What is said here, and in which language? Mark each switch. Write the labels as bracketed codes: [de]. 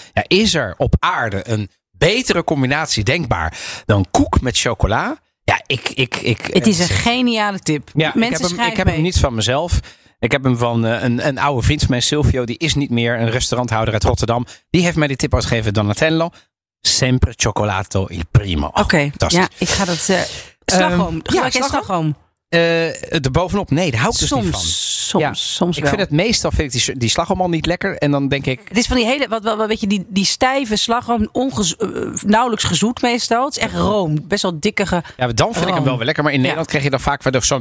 [nl] Ja, is er op aarde een betere combinatie denkbaar dan koek met chocola? Ja, ik het is een geniale tip. Ja, ik heb hem niet van mezelf. Ik heb hem van een oude vriend van mij, Silvio. Die is niet meer een restauranthouder uit Rotterdam. Die heeft mij die tip uitgegeven, Donatello. [it] Sempre cioccolato il primo. [nl] Oké, ik ga dat... Slagroom. De bovenop, nee, daar hou ik dus niet van. Soms ik wel. Vind het meestal, vind ik die slagroom al niet lekker. En dan denk ik... Het is van die hele, die stijve slagroom, nauwelijks gezoet meestal. Het is echt room, best wel dikkige. Ja, dan vind ik hem wel weer lekker. Maar in Nederland krijg je dan vaak verder zo'n...